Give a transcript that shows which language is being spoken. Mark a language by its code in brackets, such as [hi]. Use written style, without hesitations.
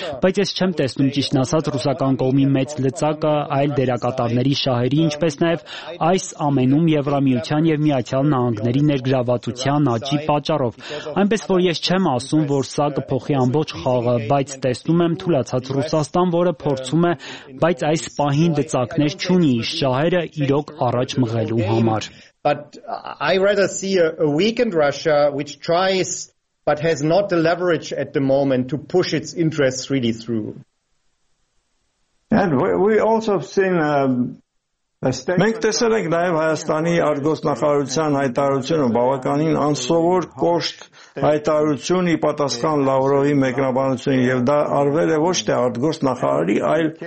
[hy] բայց ես չեմ տեսնում ճիշտ ասած ռուսական կողմի մեծ լծակը այլ դերակատարների շահերի, ինչպես նաև այս ամենում Եվրամիության և Միացյալ Նահանգների ներգրավվածության աճի պատճառով։ Այնպես որ ես չեմ ասում, որ սա կփոխի ամբողջ խաղը, բայց տեսնում եմ թուլացած Ռուսաստան, որը փորձում է, բայց այս պահին լծակներ չունի շահերը իրոք առաջ մղելու համար։ [en] But I rather see a weakened Russia which tries but has not the leverage at the moment to push its interests really through. And we also have seen [hy] Մենք տեսել ենք նաև Հայաստանի արտգործնախարարության հայտարարությունը, բավականին անսովոր կոշտ հայտարարություն ի պատասխան